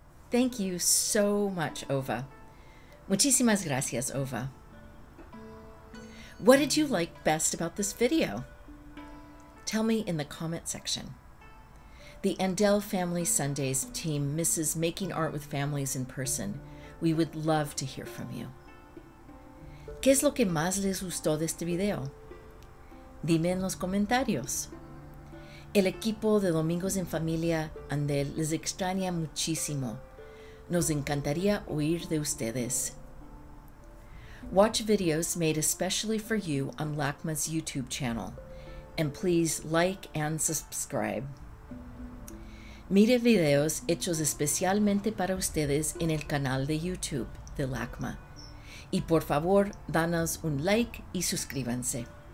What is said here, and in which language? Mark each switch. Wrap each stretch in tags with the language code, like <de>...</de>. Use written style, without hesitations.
<en>Thank you so much, Ova.</en> <es>Muchísimas gracias,</es> <en>Ova. What did you like best about this video? Tell me in the comment section. The Andell Family Sundays team misses making art with families in person. We would love to hear from you.</en> <es>¿Qué es lo que más les gustó de este video? Dime en los comentarios. El equipo de Domingos en Familia Andell les extraña muchísimo. Nos encantaría oír de ustedes.</es> <en>Watch videos made especially for you on LACMA's YouTube channel. And please like and subscribe.</en> <es>Mire videos hechos especialmente para ustedes en el canal de YouTube de LACMA. Y por favor, danos un like y suscríbanse.</es>